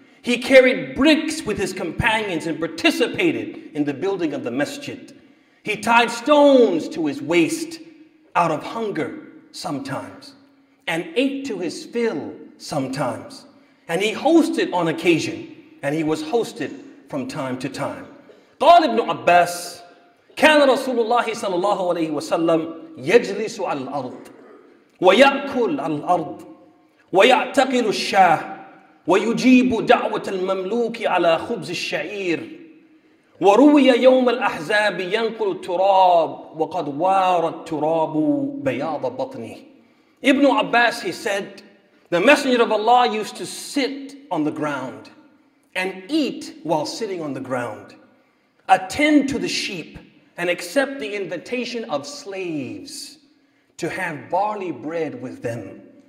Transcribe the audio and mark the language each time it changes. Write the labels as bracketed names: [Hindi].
[English] He carried bricks with his companions and participated in the building of the masjid. He tied stones to his waist out of hunger sometimes and ate to his fill sometimes. And he hosted on occasion, and he was hosted from time to time. [Arabic] قال ابن عباس كان رسول الله صلى الله عليه وسلم يجلس على الأرض ويأكل على الأرض ويعتقل الشاه ويجيب دعوة المملوك على خبز الشعير وروي يوم الأحزاب ينقل التراب وقد وار التراب بياض بطنه. [English] ابن عباس, he said, the Messenger of Allah used to sit on the ground and eat while sitting on the ground, attend to the sheep and accept the invitation of slaves to have barley bread with them.